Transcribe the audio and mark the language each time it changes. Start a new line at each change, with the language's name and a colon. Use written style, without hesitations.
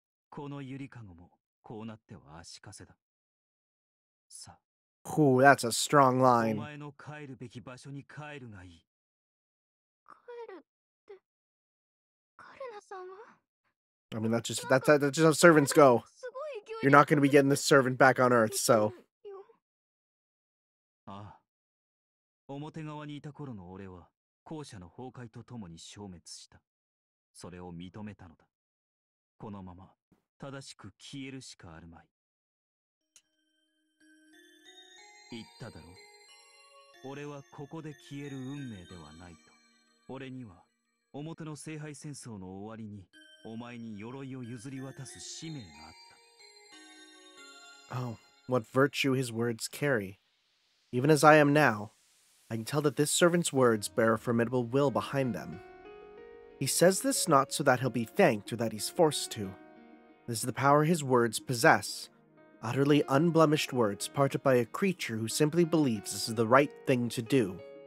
Japanese: このゆりかごもこうなっては足かせだ。さ。
English: Ooh, that's a strong line.
Japanese: お前の帰るべき場所に帰るがいい。帰るって、カルナさんは？
English: I mean, that's just how servants go. You're not going to be getting this servant back on Earth, so.
Japanese: ああ。表側にいた頃の俺は、校舎の崩壊とともに消滅した。それを認めたのだ。このまま、正しく消えるしかあるまい。言っただろう。俺はここで消える運命ではないと。俺には、表の聖杯戦争の終わりに、お前に鎧を譲り渡す使命があった。
English: Oh, what virtue his words carry. Even as I am now. I can tell that this servant's words bear a formidable will behind them. He says this not so that he'll be thanked or that he's forced to. This is the power his words possess. Utterly unblemished words parted by a creature who simply believes this is the right thing to do.